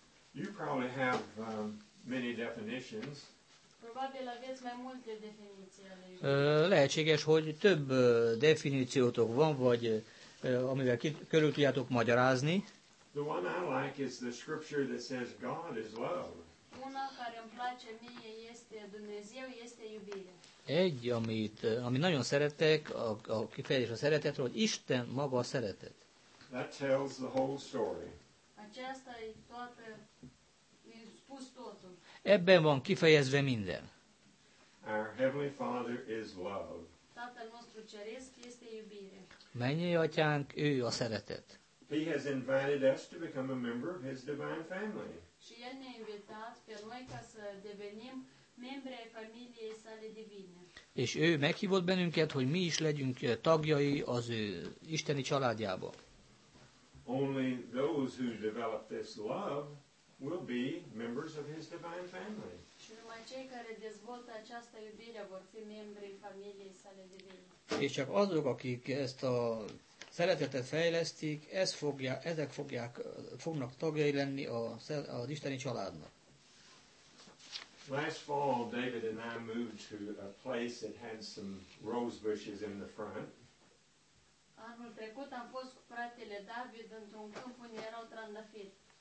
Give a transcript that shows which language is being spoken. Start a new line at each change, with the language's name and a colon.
English: You probably have many definitions.
Romanian: Probabil aveți mai multe definiții ale iubirii.
Hungarian: Lehetséges, hogy több definíciótok van, vagy amivel körül tudjátok magyarázni.
English: The one I like is the scripture that says God is love.
Romanian: Una care îmi place mie este Dumnezeu este iubire.
Hungarian: Egy, ami nagyon szeretek, a kifejezés a szeretetről, hogy Isten maga a szeretet.
English: That tells the whole story.
Romanian: Aceasta e toată, e spus totul.
Hungarian: Ebben van kifejezve minden.
English: Our Heavenly Father is love.
Romanian: Tatăl nostru ceresc este iubire.
Hungarian: Mennyei atyánk, ő a szeretet.
English: He has invited us to become a member of his divine family.
Romanian: Și el ne-a invitat pe noi ca să devenim membre ai familiei sale divine.
Hungarian: És ő meghívott bennünket, hogy mi is legyünk tagjai az ő isteni családjába.
English: Only those who develop this love will be members of his divine family.
Romanian: Și numai cei care dezvoltă această iubire vor fi membri familiei sale divine.
Hungarian: És csak azok, akik ezt a szeretetet fejlesztik, ezek fognak tagjai lenni az isteni családnak.
English: Last fall, David and I moved to a place that had some rose bushes in the front.
Romanian: Anul trecut am fost cu fratele David într-un câmp unde erau trandafiri.